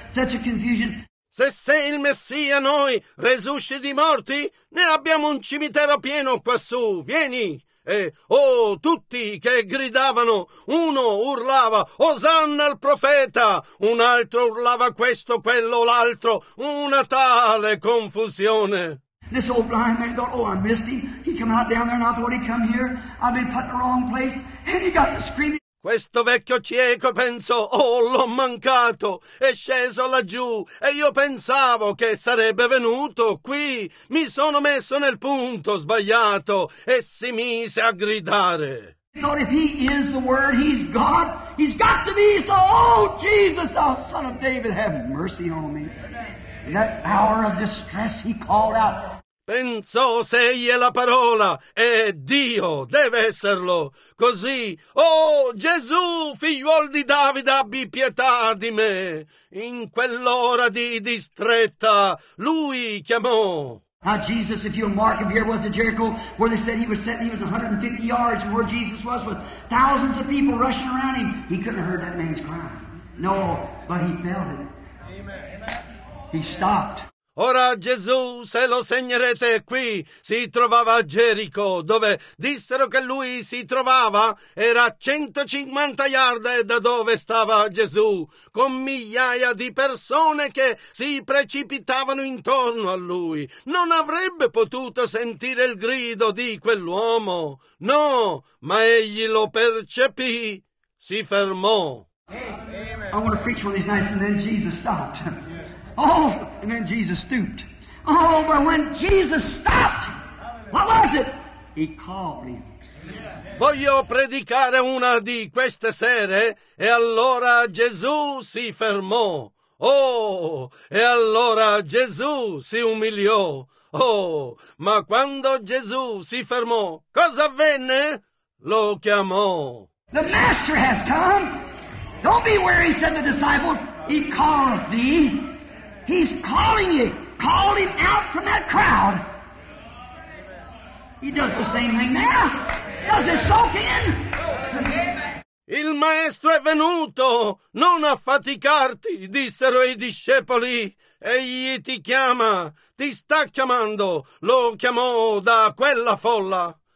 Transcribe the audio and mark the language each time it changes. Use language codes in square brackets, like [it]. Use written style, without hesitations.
[en] Such a confusion. [it] Se sei il Messia, noi resusciti morti, ne abbiamo un cimitero pieno quassù. Vieni. E oh, tutti che gridavano, uno urlava Osanna al profeta, un altro urlava questo, quello, l'altro. Una tale confusione. [en] This old blind man thought, oh, I missed him. He came out down there and I thought he'd come here. I've been put in the wrong place. And he got to screaming. [it] Questo vecchio cieco pensò, oh, l'ho mancato. È sceso laggiù e io pensavo che sarebbe venuto qui. Mi sono messo nel punto sbagliato e si mise a gridare. [en] He thought if he is the word, he's God. He's got to be. So, oh, Jesus, thou son of David, have mercy on me. In that hour of distress, he called out. [it] Pensò, se egli è la parola, è Dio, deve esserlo. Così, oh Gesù, figliuol di Davide, abbi pietà di me. In quell'ora di distretta, lui chiamò. [en] Now Jesus, if you'll mark him, here was the Jericho, where they said he was sitting, he was 150 yards where Jesus was, with thousands of people rushing around him. He couldn't have heard that man's cry. No, but he felt it. He stopped. [it] Ora Gesù, se lo segnerete qui, si trovava a Gerico, dove dissero che lui si trovava, era 150 yard da dove stava Gesù, con migliaia di persone che si precipitavano intorno a lui. Non avrebbe potuto sentire il grido di quell'uomo. No, ma egli lo percepì, si fermò. [en] I want to preach one of these nights, and then Jesus stopped. Oh, and then Jesus stooped. Oh, but when Jesus stopped, what was it? He called him. [it] Voglio predicare una di queste sere, e allora Gesù si fermò. Oh, e allora Gesù si umiliò. Oh, ma quando Gesù si fermò, cosa avvenne? Lo chiamò. [en] The Master has come. Don't be weary, said the disciples. He calleth thee. He's calling you. Call him out from that crowd. He does the same thing now. Does it soak in? [it] Il maestro è venuto. Non affaticarti, dissero i discepoli. Egli ti chiama. Ti sta chiamando. Lo chiamò da quella folla.